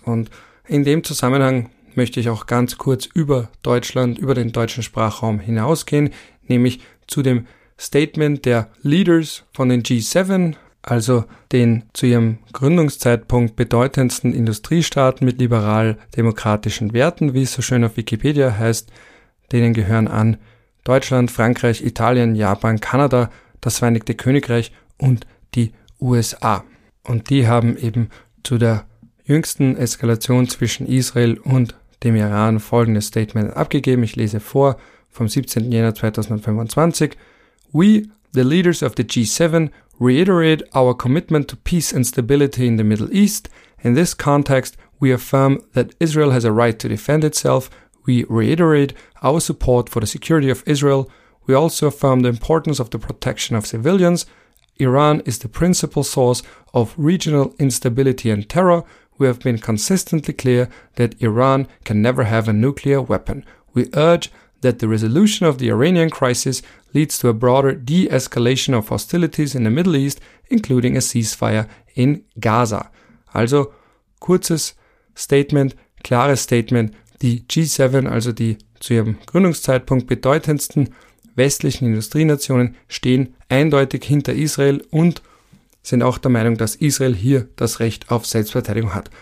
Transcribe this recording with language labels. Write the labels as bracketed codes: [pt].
[de] Und in dem Zusammenhang möchte ich auch ganz kurz über Deutschland, über den deutschen Sprachraum hinausgehen, nämlich zu dem Statement der Leaders von den G7, also den zu ihrem Gründungszeitpunkt bedeutendsten Industriestaaten mit liberal-demokratischen Werten, wie es so schön auf Wikipedia heißt, denen gehören an Deutschland, Frankreich, Italien, Japan, Kanada, das Vereinigte Königreich und die USA. Und die haben eben zu der jüngsten Eskalation zwischen Israel und dem Iran folgendes Statement abgegeben. Ich lese vor vom 17. Jänner 2025. [en] We, the leaders of the G7, reiterate our commitment to peace and stability in the Middle East. In this context, we affirm that Israel has a right to defend itself. We reiterate our support for the security of Israel. We also affirm the importance of the protection of civilians. Iran is the principal source of regional instability and terror. We have been consistently clear that Iran can never have a nuclear weapon. We urge that the resolution of the Iranian crisis leads to a broader de-escalation of hostilities in the Middle East, including a ceasefire in Gaza. [de] Also, kurzes Statement, klares Statement, die G7, also die zu ihrem Gründungszeitpunkt bedeutendsten westlichen Industrienationen, stehen eindeutig hinter Israel und sind auch der Meinung, dass Israel hier das Recht auf Selbstverteidigung hat.